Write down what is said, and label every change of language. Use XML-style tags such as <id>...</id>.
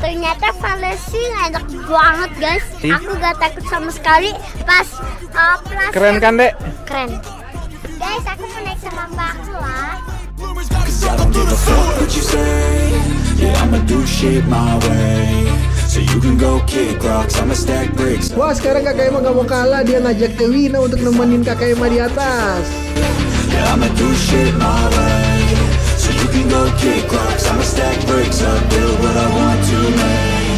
<id>Ternyata Valesi enak banget guys. Aku gak takut sama sekali pas operasi. Keren kan, Dek? Keren. Guys, aku mau naik sama Mbak Lua.</id> <en>I don't give a fuck what you say. Yeah, I'ma do shit my way. So you can go kick rocks, I'ma stack bricks.</en> <id>Wah, sekarang kakak Emma gak mau kalah. Dia ngajak ke Wina untuk nemenin kakak Emma di atas.</id> <en>Yeah, I'ma do shit my way. So you can go kick rocks, I'ma stack bricks up, build what I want to make.</en>